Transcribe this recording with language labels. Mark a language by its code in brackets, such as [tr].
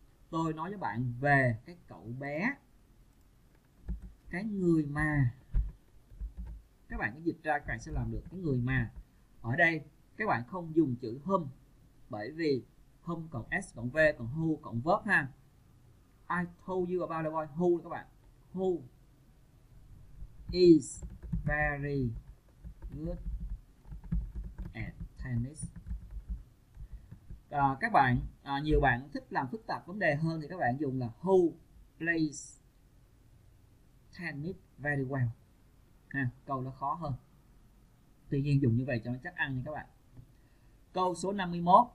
[vi] Tôi nói với bạn về cái cậu bé, cái người mà, các bạn có dịch ra các bạn sẽ làm được cái người mà. Ở đây các bạn không dùng chữ whom, bởi vì whom cộng s cộng v cộng who cộng verb ha. [en] I told you about the boy who, [vi] các bạn [en] who is very good at tennis. [vi] Các bạn nhiều bạn thích làm phức tạp vấn đề hơn thì các bạn dùng là [en] who plays tennis very well. [vi] Ha, câu nó khó hơn. Tuy nhiên dùng như vậy cho nó chắc ăn nha các bạn. Câu số 51.